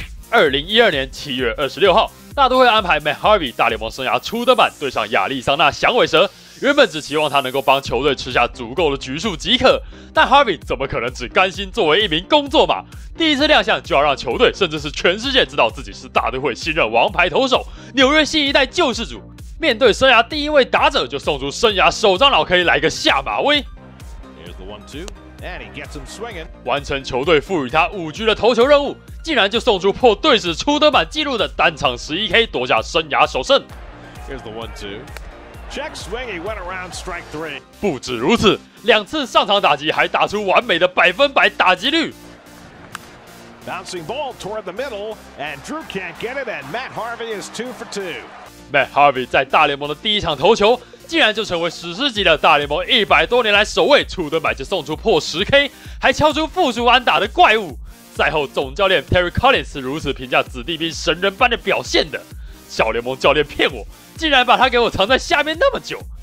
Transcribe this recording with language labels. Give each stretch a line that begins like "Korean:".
Chinese: 2012年7月26号，大都会安排 Matt Harvey 大联盟生涯初登板对上亚利桑那响尾蛇，原本只期望他能够帮球队吃下足够的局数即可，但 Harvey 怎么可能只甘心作为一名工作马？第一次亮相就要让球队甚至是全世界知道自己是大都会新任王牌投手，纽约新一代救世主。面对生涯第一位打者，就送出生涯首张老 K 来个下马威。
English: Here's the 1-2, and he gets him swinging.
Chinese: 完成球队赋予他5局的投球任务，竟然就送出破队史初登板纪录的单场11K， 夺下生涯首胜。
English: Here's the 1-2. Check swing, he went around strike three.
Chinese: 不止如此，两次上场打击还打出完美的100%打击率。
English: Bouncing ball toward the middle, and Drew can't get it, and Matt Harvey is two for two.
Chinese: Matt Harvey 在大联盟的第一场投球，竟然就成为史诗级的大联盟100多年来首位初登板就送出破10K， 还敲出复出安打的怪物。赛后，总教练 Terry Collins 是如此评价子弟兵神人般的表现的：小联盟教练骗我，竟然把他给我藏在下面那么久。